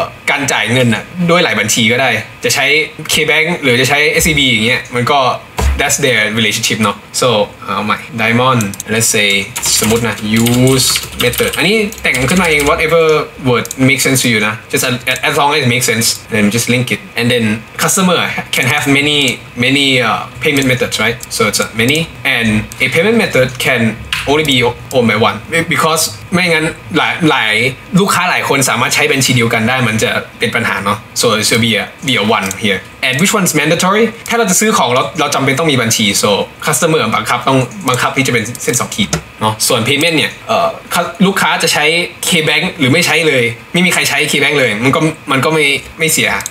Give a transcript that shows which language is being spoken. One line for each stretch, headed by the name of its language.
Thai: การจ่ายเงินด้วยหลายบัญชีก็ได้จะใช้ KBank หรือจะใช้ SCB อย่างเงี้ยมันก็
English: that's their relationship เนาะ so my diamond let's say
Thai: สมมตินะ
English: use method
Thai: อันนี้แต่งขึ้นมาเอง
English: whatever word makes sense to you นะJust as long as it makes sense, then just link it. And then customer can have many payment methods, right? So it's many. And a payment method can only be owned by one. Because
Thai: ไม่งั้นหลายลูกค้าหลายคนสามารถใช้บัญชีเดียวกันได้มันจะเป็นปัญหาเนาะ
English: So it should be a one here. And which one's mandatory?
Thai: ถ้าเราจะซื้อของเราจำเป็นต้องมีบัญชี
English: So customer
Thai: บังคับที่จะเป็นเส้นสองขีดส่วน payment เนี่ยลูกค้าจะใช้ KBank หรือไม่ใช้เลยไม่มีใครใช้ KBank เลยมันก็ไม่เสีย